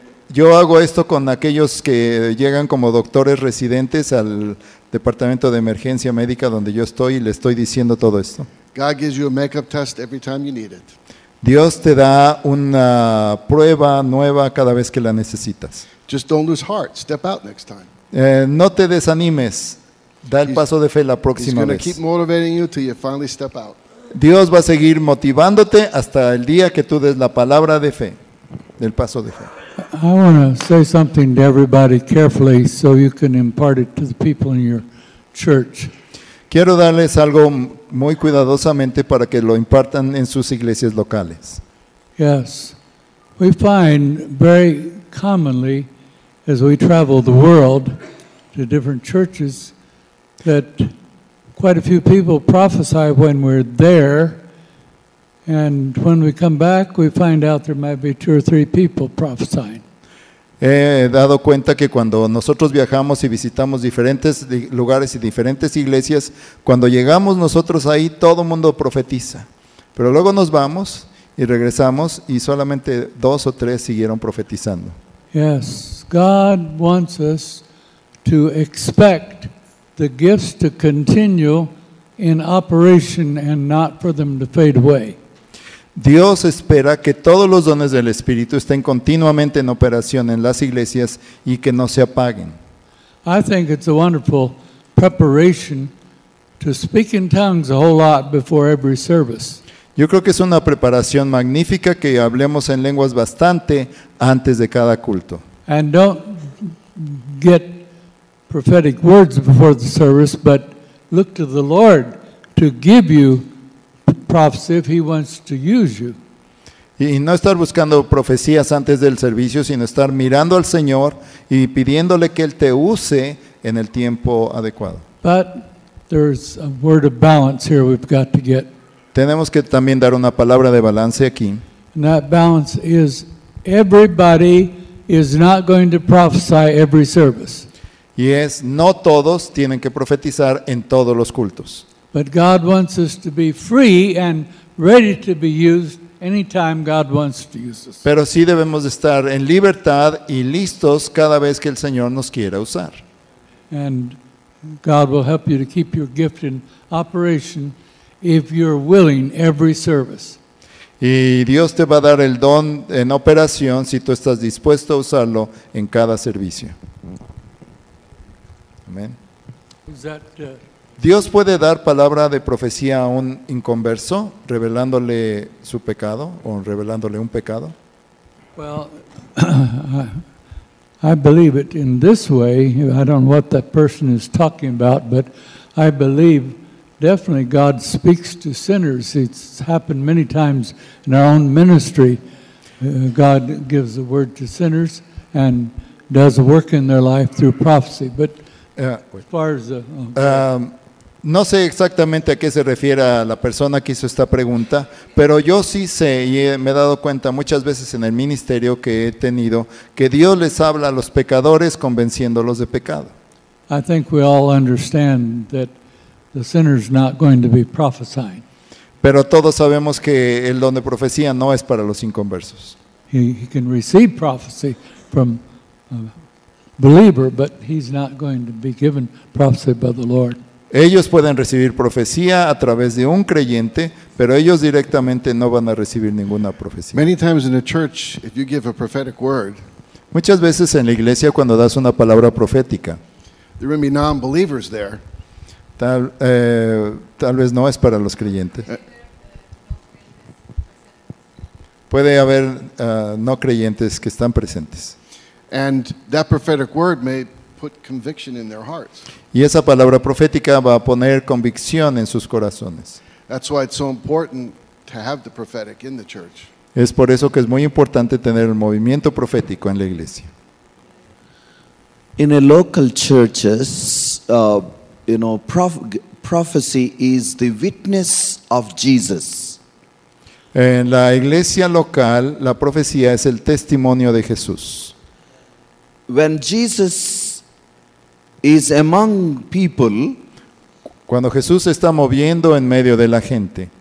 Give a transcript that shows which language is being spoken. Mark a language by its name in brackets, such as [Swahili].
[Spanish] Yo hago esto con aquellos que llegan como doctores residentes al departamento de emergencia médica donde yo estoy y le estoy diciendo todo esto. [English] God gives you a makeup test every time you need it. [Spanish] Dios te da una prueba nueva cada vez que la necesitas. [English] Just don't lose heart. Step out next time. [Spanish] No te desanimes. Da el paso de fe la próxima [English] vez. He's going to keep motivating you till you finally step out. [Spanish] Dios va a seguir motivándote hasta el día que tú des la palabra de fe, del paso de fe. [English] I want to say something to everybody carefully so you can impart it to the people in your church. [Spanish] Quiero darles algo muy cuidadosamente para que lo impartan en sus iglesias locales. [English] Yes. We find very commonly as we travel the world to different churches that quite a few people prophesy when we're there, and when we come back we find out there might be two or three people prophesying. [Spanish] He dado cuenta que cuando nosotros viajamos y visitamos diferentes lugares y diferentes iglesias, cuando llegamos nosotros ahí, todo mundo profetiza. Pero luego nos vamos y regresamos y solamente dos o tres siguieron profetizando. [English] Yes, God wants us to expect the gifts to continue in operation and not for them to fade away. [Spanish] Dios espera que todos los dones del Espíritu estén continuamente en operación en las iglesias y que no se apaguen. [English] I think it's a wonderful preparation to speak in tongues a whole lot before every service. [Spanish] Yo creo que es una preparación magnífica que hablemos en lenguas bastante antes de cada culto. [English] And don't get prophetic words before the service, but look to the Lord to give you prophecy if he wants to use you. [Spanish] Y no estar buscando profecías antes del servicio, sino estar mirando al Señor y pidiéndole que él te use en el tiempo adecuado. [English] But there's a word of balance here we've got to get. [Spanish] Tenemos que también dar una palabra de balance aquí. [English] And that balance is everybody is not going to prophesy every service. [Spanish] Y es no todos tienen que profetizar en todos los cultos. [English] But God wants us to be free and ready to be used anytime God wants to use us. [Spanish] Pero sí debemos estar en libertad y listos cada vez que el Señor nos quiera usar. [English] And God will help you to keep your gift in operation if you're willing every service. [Spanish] Y Dios te va a dar el don en operación si tú estás dispuesto a usarlo en cada servicio. Amén. [English] Is that [Spanish] Dios puede dar palabra de profecía a un inconverso, revelándole su pecado o revelándole un pecado? [English] Well, I believe it in this way. I don't know what that person is talking about, but I believe definitely God speaks to sinners. It's happened many times in our own ministry. God gives a word to sinners and does a work in their life through prophecy. But as far as the [Spanish] No sé exactamente a qué se refiere a la persona que hizo esta pregunta, pero yo sí sé y me he dado cuenta muchas veces en el ministerio que he tenido que Dios les habla a los pecadores convenciéndolos de pecado. [English] I think we all understand that the sinner's not going to be prophesying. [Spanish] Pero todos sabemos que el don de profecía no es para los inconversos. [English] He can receive prophecy from a believer, but he's not going to be given prophecy by the Lord. [Spanish] Ellos pueden recibir profecía a través de un creyente, pero ellos directamente no van a recibir ninguna profecía. [English] Many times in a church, if you give a prophetic word, [Spanish] muchas veces en la iglesia cuando das una palabra profética, [English] there will be non-believers there. [Spanish] Tal vez no es para los creyentes. Puede haber no creyentes que están presentes. [English] And that prophetic word may put conviction in their hearts. [Spanish] Y esa palabra profética va a poner convicción en sus corazones. [English] That's why it's so important to have the prophetic in the church. [Spanish] Es por eso que es muy importante tener el movimiento profético en la iglesia. [English] In a local churches, prophecy is the witness of Jesus. [Spanish] En la iglesia local, la profecía es el testimonio de Jesús. [English] When Jesus is among people, [Spanish] cuando Jesús está moviendo en medio de la gente,